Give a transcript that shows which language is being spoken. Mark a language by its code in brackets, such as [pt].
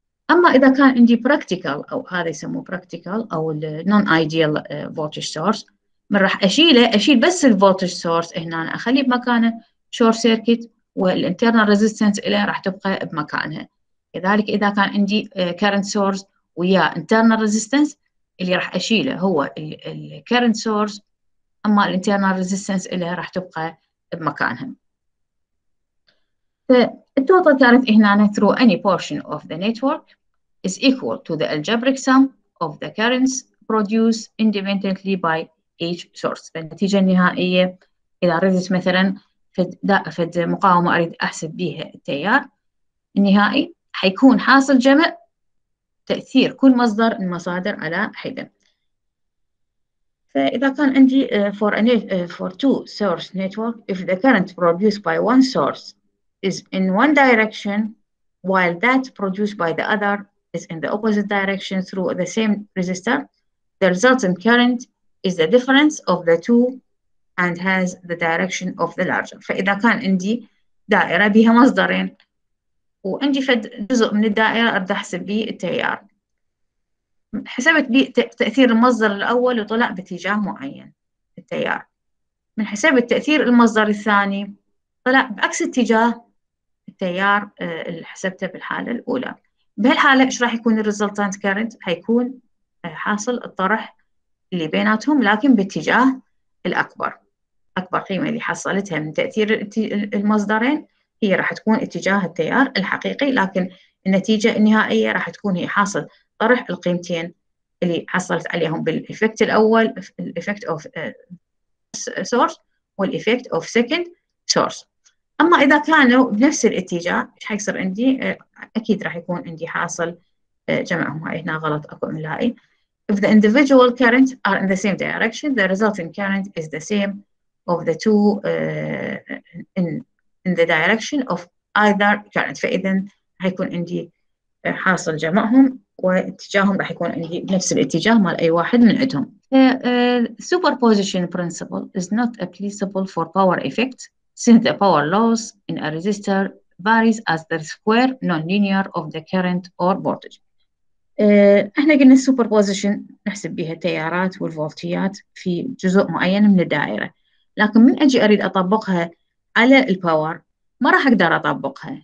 [ar] اما اذا كان عندي براكتيكال او هذا يسموه براكتيكال او النون ايديال فولتج سورس، من راح اشيله اشيل بس الفولتج سورس هنا اخليه بمكانه شورت سيركت، والانترنال ريزيستنس له راح تبقى بمكانها. كذلك اذا كان عندي كارنت سورس ويا انترنال ريزيستنس، اللي راح اشيله هو الكارنت سورس، اما الانترنال ريزيستنس اللي راح تبقى بمكانها. فالتوتال كانت هنا [en] through any portion of the network is equal to the algebraic sum of the currents produced independently by each source. [ar] فالنتيجة النهائية إذا أردت مثلا في المقاومة أريد أحسب بها التيار النهائي، حيكون حاصل جمع تأثير كل مصدر من مصادر على حدة. فإذا كان عندي [en] for two source network, if the current produced by one source is in one direction while that produced by the other is in the opposite direction through the same resistor, the resultant current is the difference of the two and has the direction of the larger. [ar] فإذا كان عندي دائرة بها مصدرين وعندي فد جزء من الدائرة أبدأ أحسب به التيار، حسبت تأثير المصدر الأول وطلع باتجاه معين التيار، من حسبت تأثير المصدر الثاني طلع بعكس اتجاه التيار اللي حسبته بالحالة الأولى. بهالحالة إيش راح يكون الريزلتانت كارنت؟ هيكون حاصل الطرح اللي بيناتهم لكن باتجاه الأكبر، أكبر قيمة اللي حصلتها من تأثير المصدرين هي راح تكون اتجاه التيار الحقيقي، لكن النتيجة النهائية راح تكون هي حاصل طرح القيمتين اللي حصلت عليهم بالإفكت الأول الإفكت of source والإفكت [en] of second source. [ar] أما إذا كانوا بنفس الاتجاه إيش حيصير عندي؟ أكيد راح يكون عندي حاصل جمعهم. هنا غلط أكو ملاقي. [en] If the individual current are in the same direction, the resulting current is the same of the two in the direction of either current. [ar] فإذا حيكون عندي حاصل جمعهم واتجاههم راح يكون عندي نفس الاتجاه مال اي واحد من عندهم. [en] Superposition principle is not applicable for power effect since the power loss in a resistor varies as the square non-linear of the current or voltage. [ar] احنا قلنا superposition نحسب بها التيارات والفولتيات في جزء معين من الدائرة، لكن من اجي اريد اطبقها على الباور ما راح اقدر اطبقها.